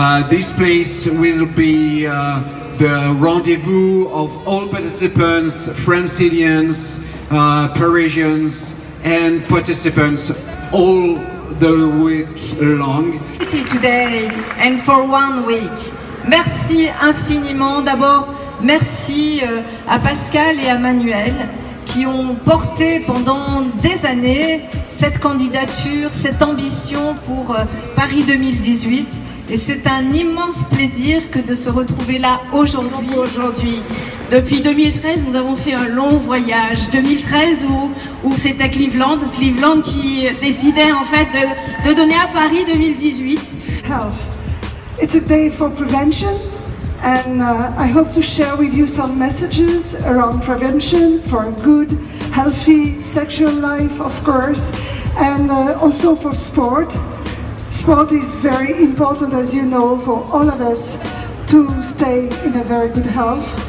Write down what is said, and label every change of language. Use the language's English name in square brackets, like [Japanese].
[English] This place will be the rendezvous of all participants, Franciliens, Parisians and participants all the week long. Today and for 1 week. [French] Merci infiniment. D'abord, merci à Pascal et à Manuel qui ont porté pendant des années cette candidature, cette ambition pour Paris 2018. Et c'est un immense plaisir que de se retrouver là aujourd'hui. Depuis 2013, nous avons fait un long voyage. 2013, où c'était Cleveland. Cleveland qui décidait en fait de donner à Paris 2018. [English] Health. It's a day for prevention. And I hope to share with you some messages around prevention for a good, healthy sexual life, of course. And also for sport. Sport is very important, as you know, for all of us to stay in a very good health.